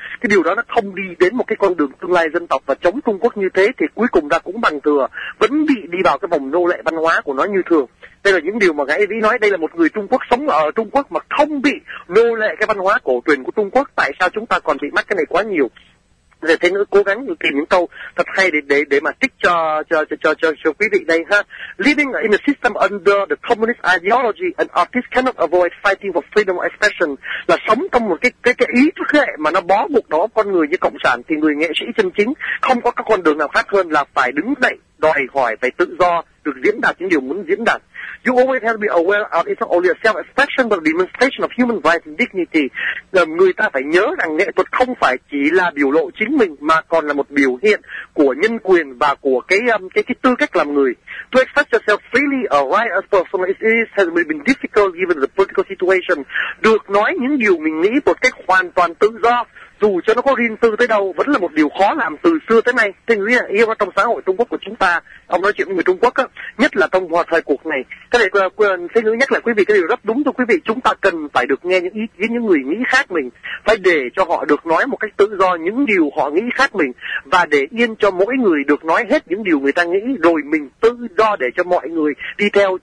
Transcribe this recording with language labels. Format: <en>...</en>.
<vi>Cái điều đó nó không đi đến một cái con đường tương lai dân tộc, và chống Trung Quốc như thế thì cuối cùng ra cũng bằng thừa, vẫn bị đi vào cái vòng nô lệ văn hóa của nó như thường. Đây là những điều mà ngài Vĩ nói. Đây là một người Trung Quốc sống ở Trung Quốc mà không bị nô lệ cái văn hóa cổ truyền của Trung Quốc. Tại sao chúng ta còn bị mắc cái này quá nhiều? Để thế nữa cố gắng tìm những câu thật hay để mà tích cho quý vị đây ha.</vi> <en>Living in a system under the communist ideology, an artist cannot avoid fighting for freedom of expression.</en> <vi>Là sống trong một cái ý thức hệ mà nó bó buộc đó con người như cộng sản, thì người nghệ sĩ chân chính không có các con đường nào khác hơn là phải đứng dậy đòi hỏi, phải tự do được diễn đạt những điều muốn diễn đạt.</vi> <en>You always have to be aware of it's not only a self-expression but a demonstration of human rights and dignity.</en> <vi>Người ta phải nhớ rằng nghệ thuật không phải chỉ là biểu lộ chính mình mà còn là một biểu hiện của nhân quyền và của cái tư cách làm người.</vi> <en>To express yourself freely or write as personal as it is has been difficult given the political situation.</en> <vi>Được nói những điều mình nghĩ một cách hoàn toàn tự do, dù cho nó có riêng tư tới đâu, vẫn là một điều khó làm từ xưa tới nay. Thế nghĩa là yêu trong xã hội Trung Quốc của chúng ta, ông nói chuyện với người Trung Quốc á, nhất là trong hòa thời cuộc này. Cái này thế nữa nhắc lại quý vị cái điều rất đúng thôi quý vị. Chúng ta cần phải được nghe những ý kiến những người nghĩ khác mình, phải để cho họ được nói một cách tự do những điều họ nghĩ khác mình, và để yên cho mỗi người được nói hết những điều người ta nghĩ, rồi mình tự do để cho mọi người đi theo.</vi>